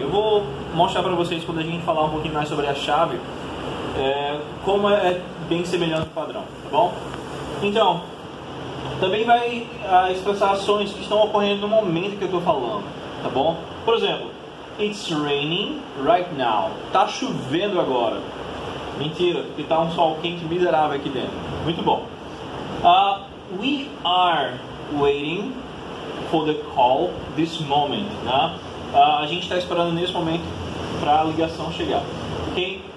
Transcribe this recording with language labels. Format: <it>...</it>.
<pt>Eu vou mostrar para vocês, quando a gente falar um pouquinho mais sobre a chave, como é bem semelhante ao padrão, tá bom? Então, também vai expressar ações que estão ocorrendo no momento que eu estou falando, tá bom? Por exemplo,</pt> <en>it's raining right now.</en> <pt>Tá chovendo agora. Mentira, porque tá um sol quente miserável aqui dentro. Muito bom.</pt> <en>We are waiting for the call this moment, né?</en> <pt>A gente está esperando nesse momento para a ligação chegar, ok?</pt>